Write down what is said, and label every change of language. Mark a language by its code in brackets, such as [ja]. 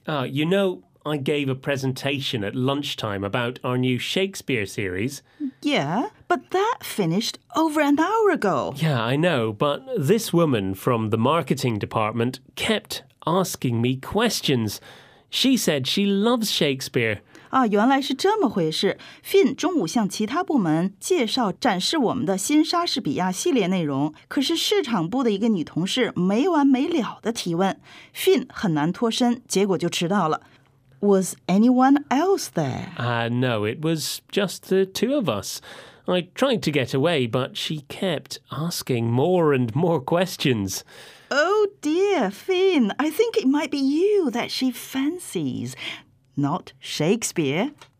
[en] You know, I gave a presentation at lunchtime about our new Shakespeare series. Yeah, but that finished over an hour ago. Yeah, I know, but this woman from the marketing department kept asking me questions. She said she loves Shakespeare. [zh] 啊，原来是这么回事。 Finn 中午向其他部门介绍展示我们的新莎士比亚系列内容，可是市场部的一个女同事没完没了的提问， Finn 很难脱身，结果就迟到了。 [en] Was anyone else there? No, it was just the two of us. I tried to get away, but she kept asking more and more questions. Oh dear, Finn, I think it might be you that she fancies. Not Shakespeare.